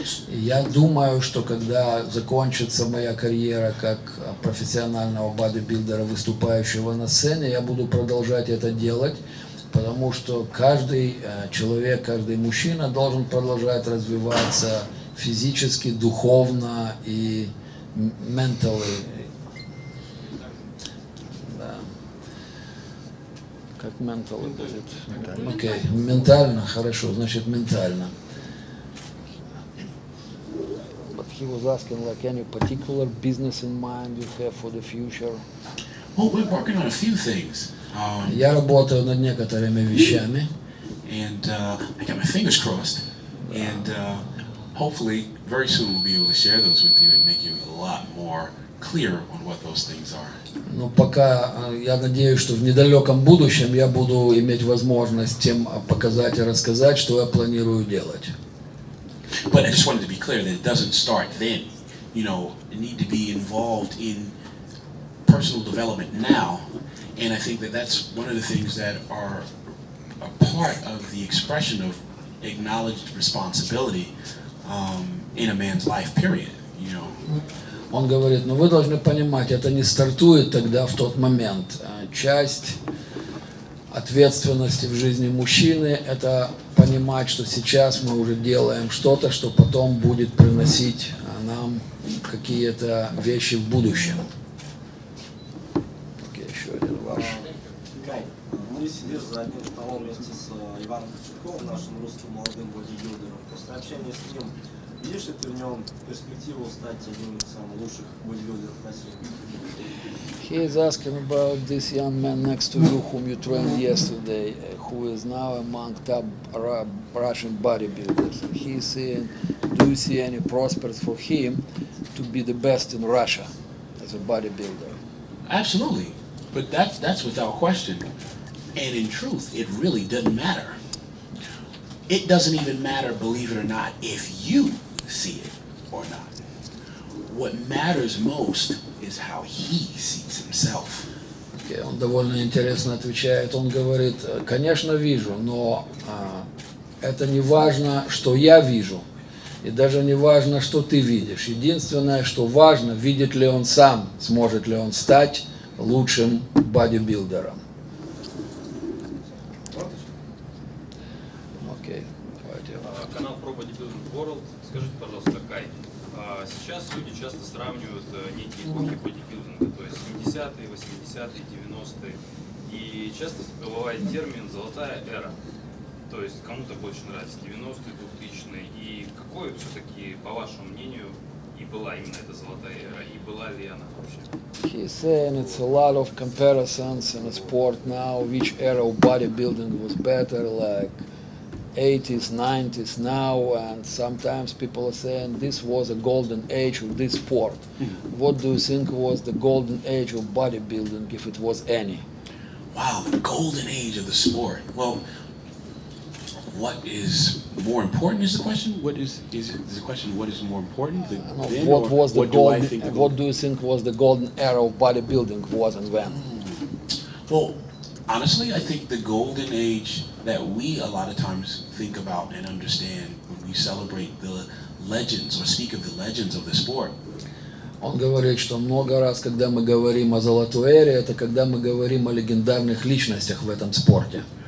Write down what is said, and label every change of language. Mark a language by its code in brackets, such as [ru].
[ru] И я думаю, что когда закончится моя карьера как профессионального бодибилдера, выступающего на сцене, я буду продолжать это делать, потому что каждый человек, каждый мужчина должен продолжать развиваться физически, духовно и ментально. Как ментал будет. Окей, ментально, хорошо, значит ментально. [en] But he was asking like any particular business in mind you have for the future. Well, we're working on a few things. [ru] Я работаю над некоторыми вещами. [en] And I got my fingers crossed. And hopefully, very soon we'll be able to share those with you and make you a lot more clear on what those things are. [ru] Но пока я надеюсь, что в недалеком будущем я буду иметь возможность тем показать и рассказать, что я планирую делать. [en] But I just wanted to be clear that it doesn't start then. You know, need to be involved in personal development now, and I think that that's one of the things that are a part of the expression of acknowledged responsibility in a man's life, period, you know. [ru] Он говорит, но вы должны понимать, это не стартует тогда, в тот момент. Часть ответственности в жизни мужчины – это понимать, что сейчас мы уже делаем что-то, что потом будет приносить нам какие-то вещи в будущем. Так, еще один ваш. Мы сидим за одним столом вместе с Иваном Кочетковым, нашим русским молодым бодибилдером. После общения с ним, видишь ли ты в нем перспективу стать одним из самых лучших бодибилдеров в России? [en] He is asking about this young man next to you, whom you trained yesterday, who is now among top Russian bodybuilders. He's saying, do you see any prospects for him to be the best in Russia as a bodybuilder? Absolutely. But that's without question. And in truth, it really doesn't matter. It doesn't even matter, believe it or not, if you see it or not. What matters most is how he sees himself. [ru] Okay, он довольно интересно отвечает. Он говорит, конечно, вижу, но это не важно, что я вижу, и даже не важно, что ты видишь. Единственное, что важно, видит ли он сам, сможет ли он стать лучшим бодибилдером. Окей, давайте. Канал Pro Bodybuilding World. Скажите, пожалуйста, Кай. Сейчас люди часто сравнивают некие эпохи бодибилдинга, то есть 70-е, 80-е, 90-е. И часто бывает термин «золотая эра». То есть кому-то больше нравится 90-е, 2000-е. И какое все-таки, по вашему мнению, и была именно эта золотая эра, и была ли она вообще? [en] He's saying it's a lot of comparisons in a sport now, which era of bodybuilding was better, like 80s, 90s now, and sometimes people are saying this was a golden age of this sport. What do you think was the golden age of bodybuilding, if it was any? Wow, the golden age of the sport. Well, what is more important is the question? What is the question, what is more important? What do you think was the golden era of bodybuilding was and when? Well, honestly, I think the golden age that we a lot of times think about and understand when we celebrate the legends or speak of the legends of the sport. [ru] Он говорит, что много раз, когда мы говорим о золотой эре, это когда мы говорим о легендарных личностях в этом спорте.